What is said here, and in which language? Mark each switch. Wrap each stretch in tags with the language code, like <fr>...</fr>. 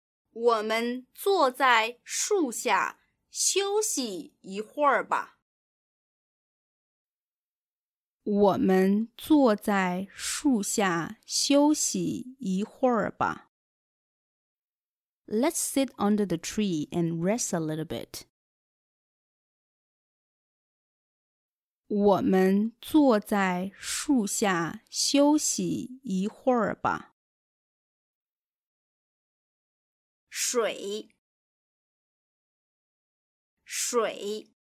<zh>我们坐在树下休息一会儿吧。我们坐在树下休息一会儿吧。</zh> <en>Let's sit under the tree and rest a little bit.</en> <zh>我们坐在树下休息一会儿吧。水，水</zh>